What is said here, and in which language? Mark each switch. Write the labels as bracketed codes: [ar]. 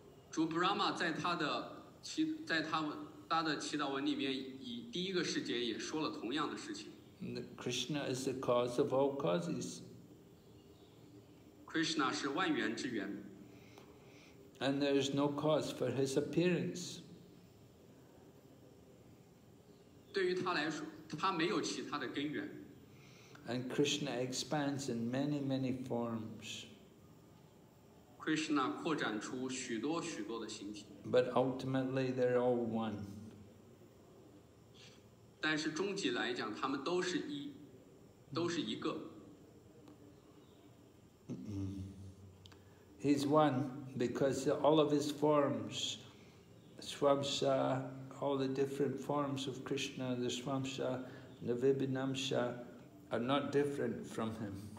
[zh] 主 Brahma 在他的祈祷文里面以第一个世界也说了同样的事情。 [en] Krishna is the cause of all causes. [zh] Krishna 是万源之源。 [en] And there is no cause for his appearance. [zh] 对于他来说，他没有其他的根源。 [en] And Krishna expands in many, many forms. [zh] Krishna 扩展出许多许多的形体。 [en] But ultimately, they're all one. [zh] 但是终极来讲，他们都是一，都是一个。 [en] He's one. Because all of his forms, Swamsa, all the different forms of Krishna, the Swamsa, Navibhinamsa, are not different from him.